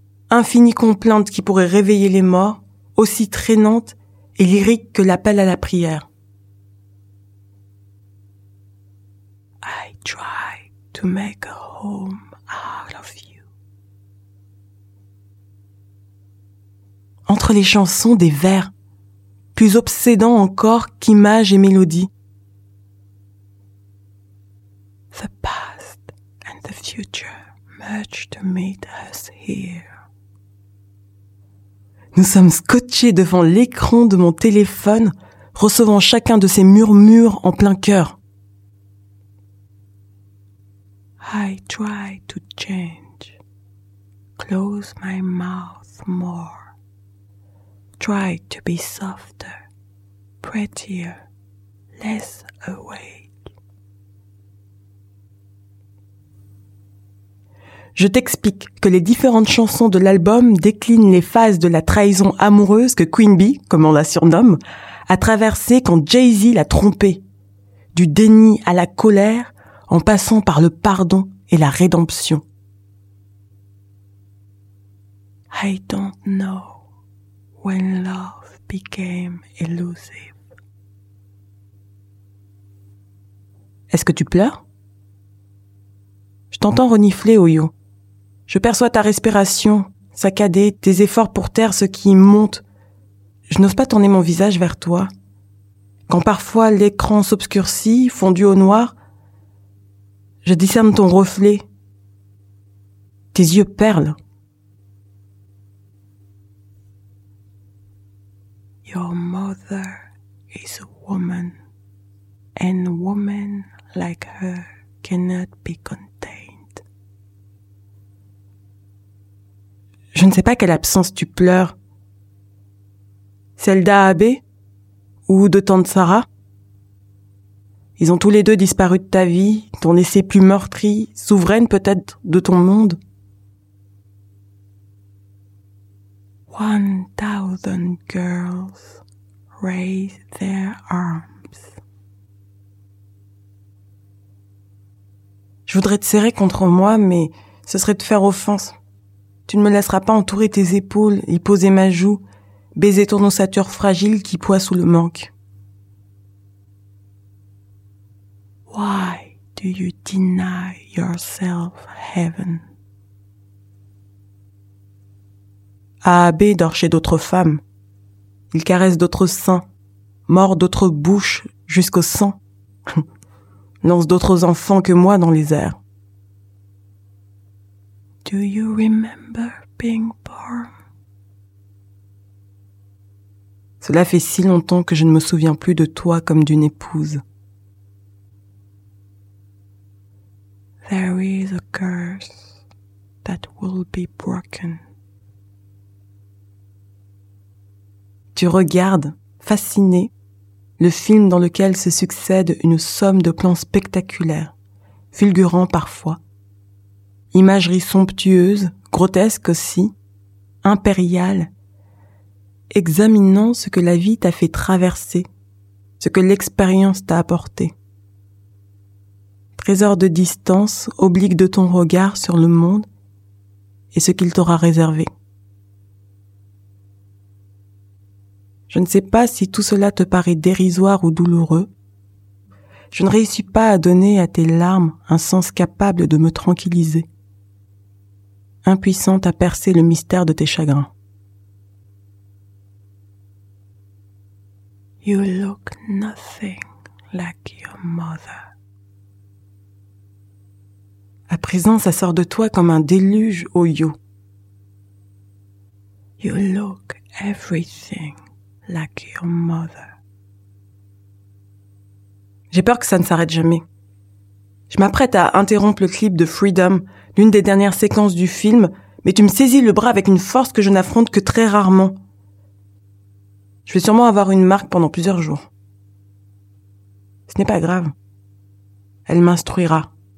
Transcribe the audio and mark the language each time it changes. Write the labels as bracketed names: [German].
[French] Infinie complainte qui pourrait réveiller les morts, aussi traînante et lyrique que l'appel à la prière. [English] I try. to make a home out of you. [French] Entre les chansons, des vers, plus obsédants encore qu'images et mélodies. [English] The past and the future merge to meet us here. [French] Nous sommes scotchés devant l'écran de mon téléphone, recevant chacun de ces murmures en plein cœur. [English] I try to change, close my mouth more, try to be softer, prettier, less awake. [French] Je t'explique que les différentes chansons de l'album déclinent les phases de la trahison amoureuse que Queen Bee, comme on la surnomme, a traversée quand Jay-Z l'a trompée, du déni à la colère, en passant par le pardon et la rédemption. [English] I don't know when love became elusive. [French] Est-ce que tu pleures? Je t'entends renifler, Oyo. Je perçois ta respiration, saccadée, tes efforts pour taire ce qui monte. Je n'ose pas tourner mon visage vers toi. Quand parfois l'écran s'obscurcit, fondu au noir, je discerne ton reflet, tes yeux perlent. [English] Your mother is a woman, and woman like her cannot be contained. [French] Je ne sais pas quelle absence tu pleures, celle d'Aabe ou de tante Sarah? Ils ont tous les deux disparu de ta vie, t'ont laissé plus meurtrie, souveraine peut-être de ton monde. [English] 1,000 girls raise their arms. [French] Je voudrais te serrer contre moi, mais ce serait te faire offense. Tu ne me laisseras pas entourer tes épaules, y poser ma joue, baiser ton ossature fragile qui poit sous le manque. [English] Why do you deny yourself heaven? [French] Aabe dort chez d'autres femmes. Il caresse d'autres seins, mord d'autres bouches jusqu'au sang, lance d'autres enfants que moi dans les airs. [English] Do you remember being born? [French] Cela fait si longtemps que je ne me souviens plus de toi comme d'une épouse. [English] There is a curse that will be broken. [French] Tu regardes, fasciné, le film dans lequel se succède une somme de plans spectaculaires, fulgurants parfois, imagerie somptueuse, grotesque aussi, impériale, examinant ce que la vie t'a fait traverser, ce que l'expérience t'a apporté. Trésor de distance oblique de ton regard sur le monde et ce qu'il t'aura réservé. Je ne sais pas si tout cela te paraît dérisoire ou douloureux. Je ne réussis pas à donner à tes larmes un sens capable de me tranquilliser, impuissante à percer le mystère de tes chagrins. [English] You look nothing like your mother. [French] À présent, ça sort de toi comme un déluge, Oyo. [English] You look everything like your mother. [French] J'ai peur que ça ne s'arrête jamais. Je m'apprête à interrompre le clip de Freedom, l'une des dernières séquences du film, mais tu me saisis le bras avec une force que je n'affronte que très rarement. Je vais sûrement avoir une marque pendant plusieurs jours. Ce n'est pas grave. Elle m'instruira.